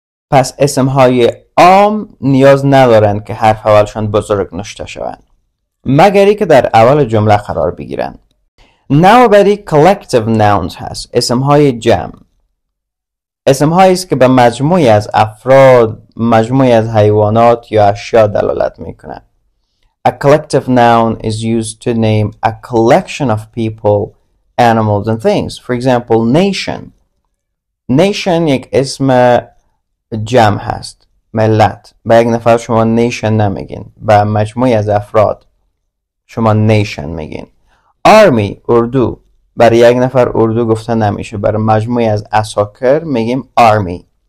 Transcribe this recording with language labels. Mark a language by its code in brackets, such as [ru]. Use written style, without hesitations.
[fa] پس اسم های عام نیاز ندارند که حرف اولشان بزرگ نوشته شوند، مگر اینکه در اول جمله قرار بگیرند. نوع بعدی collective nouns هست، اسم های جمع. اسم هایی است که به مجموعی از افراد، مجموعی از حیوانات یا اشیا دلالت میکنند. [en] A collective noun is used to name a collection of people, animals and things. For example, nation. [fa] Nation یک اسم جمع هست، ملت. به یک نفر شما نیشن نمیگین، به مجموعی از افراد شما نیشن میگین. آرمی، اردو. برای یک نفر اردو گفته نمیشه، برای مجموعی از عساکر میگیم آرمی.